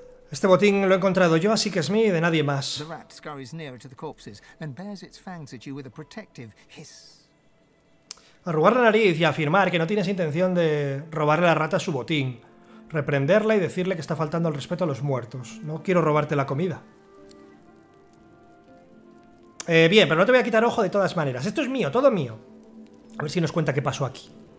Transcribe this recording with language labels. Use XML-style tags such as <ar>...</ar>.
<es>Este botín lo he encontrado yo, así que es mío y de nadie más.</es> <en>The rat scurries nearer to the corpses and bares its fangs at you with a protective hiss.</en> <es>Arrugar la nariz y afirmar que no tienes intención de robarle a la rata su botín. Reprenderla y decirle que está faltando el respeto a los muertos. No quiero robarte la comida. Bien, pero no te voy a quitar ojo de todas maneras. Esto es mío, todo mío. A ver si nos cuenta qué pasó aquí.</es>